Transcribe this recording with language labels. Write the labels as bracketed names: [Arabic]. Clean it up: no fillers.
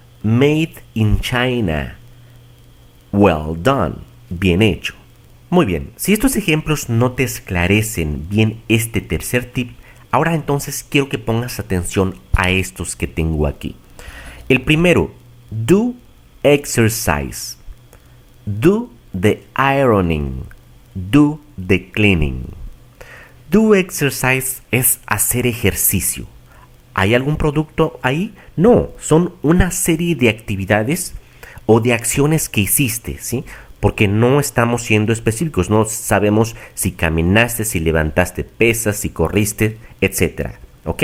[English] Made in China. Well done. [Spanish] Bien hecho. Muy bien. Si estos ejemplos no te esclarecen bien este tercer tip, ahora entonces quiero que pongas atención a estos que tengo aquí. El primero, [English] do exercise. Do the ironing, do the cleaning. Do exercise [Spanish] es hacer ejercicio. ¿Hay algún producto ahí? No, son una serie de actividades o de acciones que hiciste, ¿sí? Porque no estamos siendo específicos, no sabemos si caminaste, si levantaste pesas, si corriste, etc. ¿Ok?